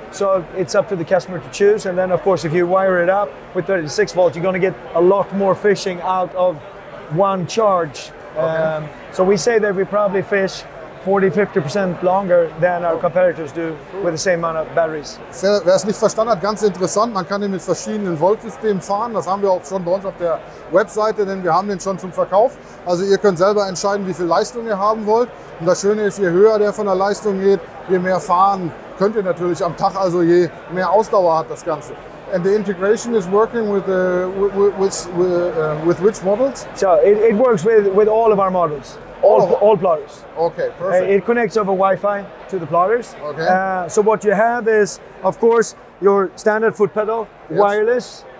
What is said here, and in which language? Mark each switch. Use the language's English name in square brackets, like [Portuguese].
[English] So it's up to the customer to choose. And then, of course, if you wire it up with 36 volt, you're going to get a lot more fishing out of one charge. Okay. So we say that we probably fish 40-50% longer than our competitors do with the same amount of batteries. [German] Wer es nicht verstanden hat, ganz interessant, man kann ihn mit verschiedenen Voltsystemen fahren, das haben wir auch schon bei uns auf der Webseite, denn wir haben den schon zum Verkauf. Also ihr könnt selber entscheiden, wie viel Leistung ihr haben wollt. Und das Schöne ist, je höher der von der Leistung geht, je mehr fahren könnt ihr natürlich am Tag, also je mehr Ausdauer hat das Ganze. [English] And the integration is working with which models? So it works with all of our models. All plotters. Okay, perfect. It connects over Wi-Fi to the plotters. Okay. So what you have is, of course, your standard foot pedal, wireless.